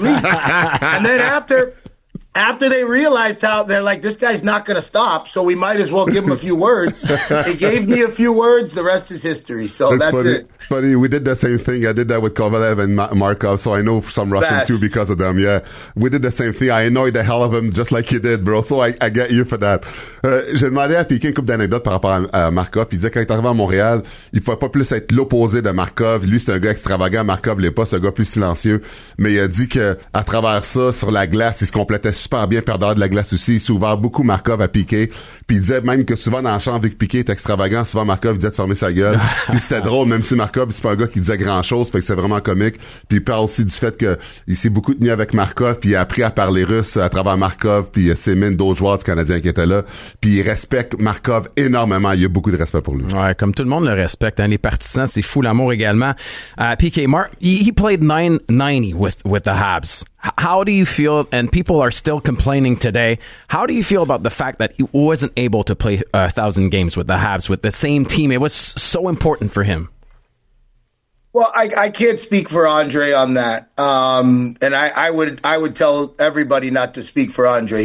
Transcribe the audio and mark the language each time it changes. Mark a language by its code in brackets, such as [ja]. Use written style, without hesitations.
[en] And then after they realized how, they're like, this guy's not going to stop, so we might as well give him a few words. He gave me a few words. The rest is history. So that's funny. It. Funny. We did the same thing. I did that with Kovalev and Markov, so I know some Russian too because of them. Yeah, we did the same thing. I annoyed the hell of him just like you did, bro. So I get you for that. [fr] J'ai demandé à Piquet une couple d'anecdotes par rapport à Markov. Il disait quand il est arrivé à Montréal, il pouvait pas plus être l'opposé de Markov. Lui, c'est un gars extravagant. Markov l'est pas. C'est un gars plus silencieux. Mais il a dit que à travers ça, sur la glace, il se complétait super bien, perdeur de la glace aussi. Il s'ouvre beaucoup, Markov, à Piqué. Puis il disait même que souvent dans la chambre, vu que Piqué est extravagant, souvent Markov disait de fermer sa gueule. Puis c'était drôle, même si Markov, c'est pas un gars qui disait grand chose, fait que c'est vraiment comique. Puis il parle aussi du fait que il s'est beaucoup tenu avec Markov, puis il a appris à parler russe à travers Markov, puis Semin, d'autres joueurs du Canadien qui étaient là. Puis il respecte Markov énormément. Il y a beaucoup de respect pour lui. Ouais, comme tout le monde le respecte, hein. Les partisans, c'est fou, l'amour également. [en] Piqué, he played 990 with the Habs. How do you feel, and people are still complaining today, how do you feel about the fact that he wasn't able to play 1,000 games with the Habs, with the same team? It was so important for him. Well, I can't speak for Andre on that. And I would tell everybody not to speak for Andre.